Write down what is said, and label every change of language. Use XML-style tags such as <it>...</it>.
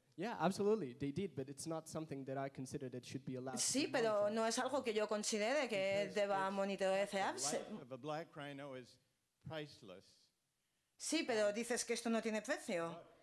<en>Yeah, absolutely, they did, but it's not something that I consider that should be allowed.</en> <es>Sí, pero no es algo que yo considere que deba monitorearse.</es> <en>The life of a black rhino is priceless.</en> <es>Sí, pero dices que esto no tiene precio.</es>